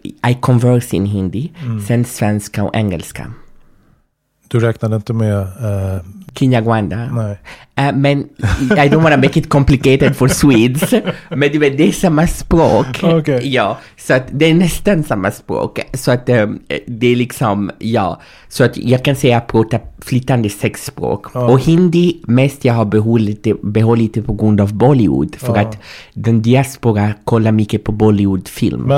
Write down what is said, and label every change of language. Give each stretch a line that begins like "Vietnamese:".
English: I converse in hindi,
Swedish: sen svenska och engelska. Du räknade inte med Kinyarwanda? Nej. Men
English: I don't want to make it complicated for Swedes.
Swedish: Men det är samma språk. Okay. Ja, så att det är nästan samma språk. Så att det är liksom, ja. Så att jag kan säga att jag pratar flytande sex språk. Oh. Och hindi mest jag har behållit på grund av Bollywood. För att den diaspora kollar mycket på Bollywood-film.